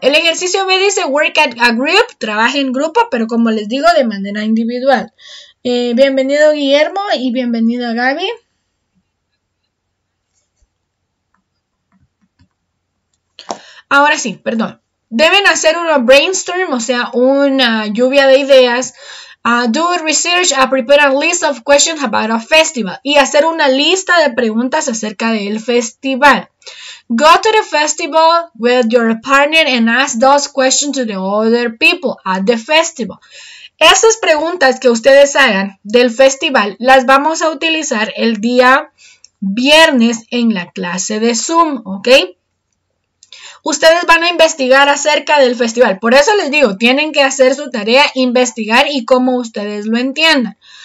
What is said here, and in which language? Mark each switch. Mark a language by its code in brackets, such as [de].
[es] El ejercicio B dice [en] work at a group, [es] trabaja en grupo, pero como les digo, de manera individual. Bienvenido Guillermo y bienvenido Gaby. Ahora sí, perdón. Deben hacer una brainstorm, o sea, una lluvia de ideas. [en] Do research and prepare a list of questions about a festival. [es] Y hacer una lista de preguntas acerca del festival. [en] Go to the festival with your partner and ask those questions to the other people at the festival. [es] Esas preguntas que ustedes hagan del festival las vamos a utilizar el día viernes en la clase de Zoom, ¿ok? Ustedes van a investigar acerca del festival. Por eso les digo, tienen que hacer su tarea, investigar y como ustedes lo entiendan.